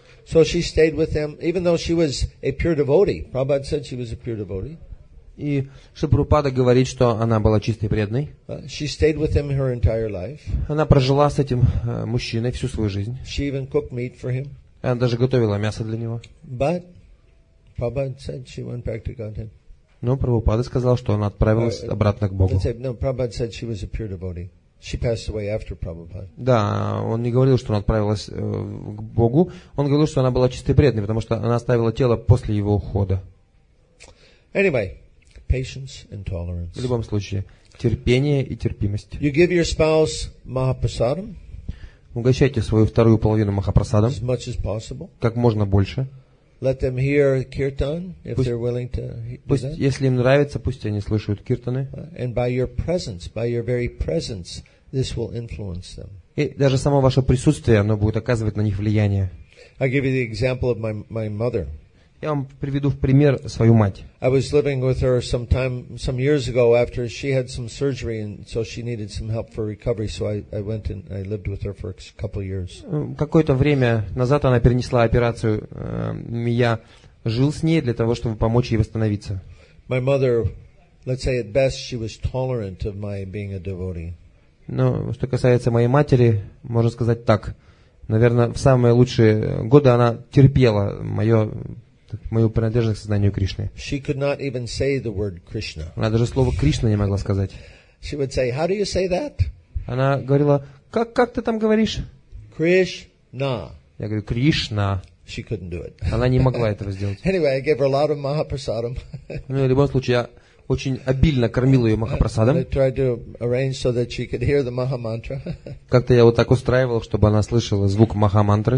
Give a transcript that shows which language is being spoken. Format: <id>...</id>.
<en>So she stayed with him, even though she was a pure devotee. Prabhupada said she was a pure devotee.</en> <ru>И Шрила Прабхупада говорит, что она была чистой и преданной.</ru> <en>She stayed with him her entire life.</en> <ru>Она прожила с этим мужчиной всю свою жизнь.</ru> <en>She even cooked meat for him.</en> <ru>Она даже готовила мясо для него.</ru> <en>But Prabhupada said she went back to Godhead.</en> <ru>Но Прабхупада сказал, что она отправилась обратно к Богу.</ru> <en>No, Prabhupada said she was a pure devotee. She passed away after Prabhupada.</en> <ru>Да, он не говорил, что она отправилась к Богу. Он говорил, что она была чистой и преданной, потому что она оставила тело после его ухода.</ru> <en>Anyway. Patience and tolerance.</en> <ru>В любом случае, терпение и терпимость.</ru> <en>You give your spouse Mahaprasadam.</en> <ru>Угощайте свою вторую половину Махапрасадом.</ru> <en>As much as possible.</en> <ru>Как можно больше.</ru> <en>Let them hear kirtan if they're willing to do that.</en> <ru>Пусть, если им нравится, пусть они слышат киртаны.</ru> <en>And by your presence, by your very presence, this will influence them.</en> <ru>И даже само ваше присутствие, оно будет оказывать на них влияние.</ru> <en>I give you the example of my mother.</en> <ru>Я вам приведу в пример свою мать.</ru> <en>I was living with her some years ago after she had some surgery, and so she needed some help for recovery. So I went and I lived with her for a couple of years.</en> <ru>Какое-то время назад она перенесла операцию. Я жил с ней для того, чтобы помочь ей восстановиться.</ru> <en>My mother, let's say at best, she was tolerant of my being a devotee.</en> <ru>Но что касается моей матери, можно сказать так. Наверное, в самые лучшие годы она терпела мою принадлежность к сознанию Кришны.</ru> <en>She could not even say the word Krishna.</en> <ru>Она даже слово Кришна не могла сказать.</ru> <en>She would say, "How do you say that?"</en> <ru>Она говорила, как ты там говоришь?</ru> <en>Krishna.</en> <ru>Я говорю, Кришна.</ru> <en>She couldn't do it.</en> <ru>Она не могла этого сделать.</ru> <en>Anyway, I gave her a lot of Mahaprasadam.</en> <ru>Ну, в любом случае, я очень обильно кормил ее Махапрасадом.</ru> <en>I tried to arrange so that she could hear the Mahamantra.</en> <ru>Как-то я вот так устраивал, чтобы она слышала звук Махамантры.</ru>